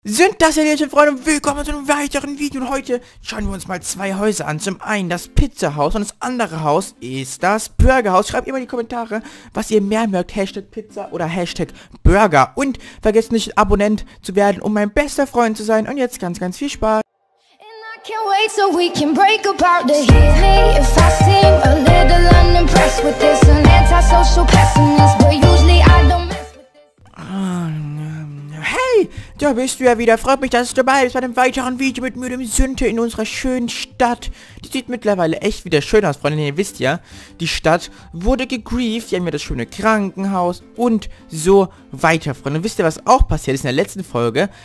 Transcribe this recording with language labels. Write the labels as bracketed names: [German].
[German] Sind das ja liebe Freunde und willkommen zu einem weiteren Video. Und heute schauen wir uns mal zwei Häuser an. Zum einen das Pizza-Haus und das andere Haus ist das Burger-Haus. Schreibt immer in die Kommentare, was ihr mehr mögt. Hashtag Pizza oder Hashtag Burger. Und vergesst nicht, Abonnent zu werden, um mein bester Freund zu sein. Und jetzt ganz, ganz viel Spaß. [English] And I can't wait so we can break apart the heat. Hey, if I seem a little unimpressed with this, an antisocial pessimist, but usually I don't mess with this. [German] Da bist du ja wieder. Freut mich, dass du dabei bist bei einem weiteren Video mit mir, dem Sünte, in unserer schönen Stadt. Die sieht mittlerweile echt wieder schön aus, Freunde. Ihr wisst ja, die Stadt wurde gegrieft. Die haben ja das schöne Krankenhaus und so weiter, Freunde. Und wisst ihr, was auch passiert ist in der letzten Folge?